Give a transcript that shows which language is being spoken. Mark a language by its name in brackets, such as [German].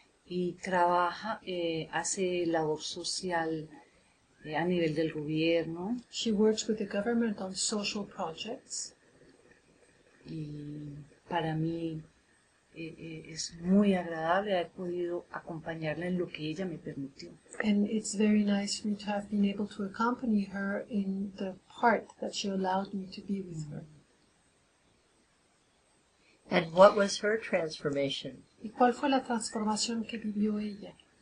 [Spanish] Y trabaja, hace labor social a nivel del gobierno. [English] She works with the government on social projects. [Spanish] Y para mí es muy agradable haber podido acompañarla en lo que ella me permitió. [English] And it's very nice for me to have been able to accompany her in the part that she allowed me to be with her. And what was her transformation? [Spanish] ¿Y cuál fue la transformación que vivió ella?